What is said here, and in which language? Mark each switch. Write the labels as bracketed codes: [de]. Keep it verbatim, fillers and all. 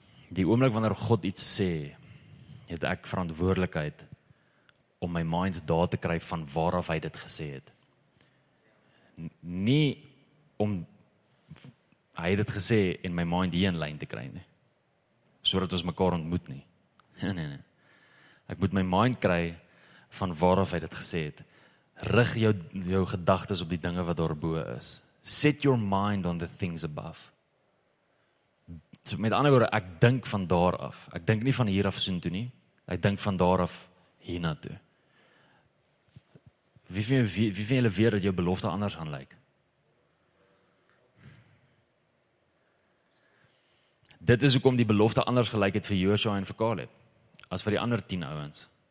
[af] Die oomblik wanneer God iets sê, het ek verantwoordelikheid om my mind daar te kry van waar af hy dit gesê het. Nie om hy het dit gesê en my mind hier in lyn te kry nie. Sodat ons mekaar ontmoet nie. Nee, nee, nee. Ek moet my mind kry van waaraf hy dit gesê het. Rig jou, jou gedagtes op die dinge wat daarbo is. [en] Set your mind on the things above. [af] So met ander woorde, ek dink van daar af. Ek dink nie van hier af soontoe nie. Ek dink van daar af hiernatoe. Wie van julle weet dat jou belofte anders gaan lyk? Dit is hoekom die belofte anders gelyk het vir Joshua en vir Caleb as vir die ander tien ouens.